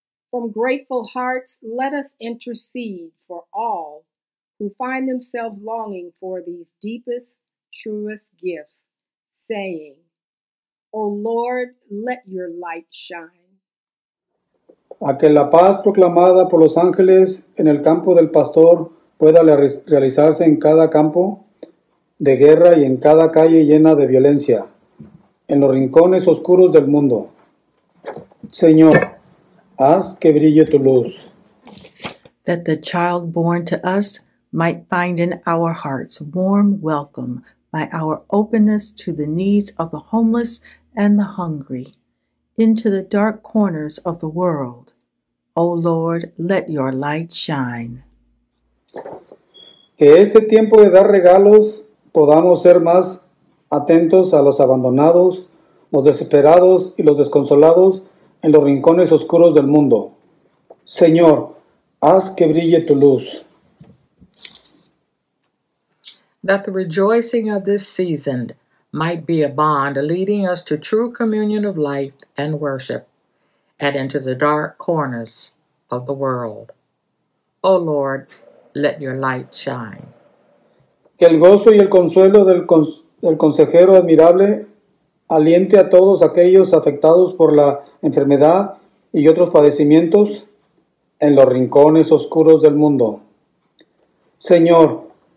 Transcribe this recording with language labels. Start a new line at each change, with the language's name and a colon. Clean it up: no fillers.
English: From grateful hearts, let us intercede for all who find themselves longing for these deepest, truest gifts, saying, O Lord, let your light shine.
Spanish: A que la paz proclamada por los ángeles en el campo del pastor pueda realizarse en cada campo de guerra y en cada calle llena de violencia, en los rincones oscuros del mundo. Señor, haz que brille tu luz.
English: That the child born to us might find in our hearts warm welcome by our openness to the needs of the homeless and the hungry, into the dark corners of the world. O Lord, let your light shine.
Spanish: Que este tiempo de dar regalos podamos ser más atentos a los abandonados, los desesperados y los desconsolados en los rincones oscuros del mundo. Señor, haz que brille tu luz.
English: That the rejoicing of this season might be a bond leading us to true communion of life and worship, and into the dark corners of the world. O Lord, let your light shine.
Spanish: Que el gozo y el consuelo del consejero admirable aliente a todos aquellos afectados por la enfermedad y otros padecimientos en los rincones oscuros del mundo. Señor,